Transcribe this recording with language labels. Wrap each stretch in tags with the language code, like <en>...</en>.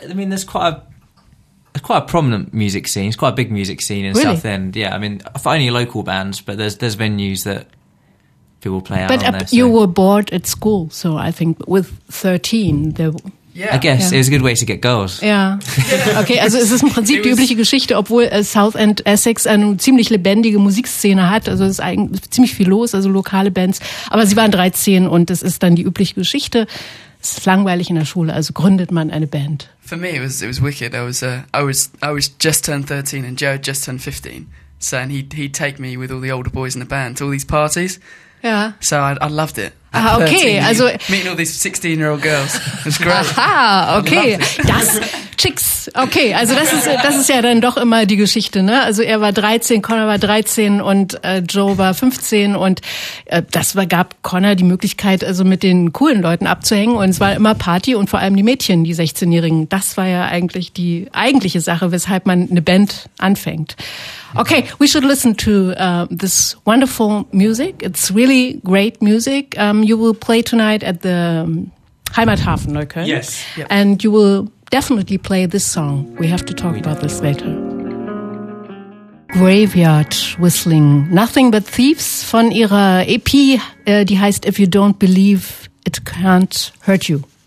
<en>there's quite a prominent music scene. It's quite a big music scene in South End. Yeah, I mean, for only local bands, but there's venues that people play out. But on there, so. You were bored at school, so I think with 13 I guess it was a good way to get girls. Yeah.</en> <de>Okay, also es ist im Prinzip die übliche Geschichte, obwohl South End Essex eine ziemlich lebendige Musikszene hat. Also es ist eigentlich ziemlich viel los, also lokale Bands. Aber sie waren 13 und es ist dann die übliche Geschichte. Es ist langweilig in der Schule, also gründet man eine Band.</de> <en>For me it was wicked. I was just turned 13 and Joe just turned 15. So and he'd take me with all the older boys in the band to all these parties. Yeah. So I loved it. Ah, okay, also meeting all these 16-year-old girls. It's great.</en> <de>Aha, okay. Das Chicks. Okay, also das ist ja dann doch immer die Geschichte, ne? Also er war 13, Connor war 13 und Joe war 15 und gab Connor die Möglichkeit, also mit den coolen Leuten abzuhängen und es war immer Party und vor allem die Mädchen, die 16-Jährigen. Das war ja eigentlich die eigentliche Sache, weshalb man eine Band anfängt.</de> <en>Okay, we should listen to this wonderful music. It's really great music. You will play tonight at the Heimathafen Neukölln. Yes. Yep. And you will definitely play this song. We have to talk about this later.</en> <de>Graveyard Whistling. Nothing but Thieves von ihrer EP, die heißt If You Don't Believe, It Can't Hurt You.</de>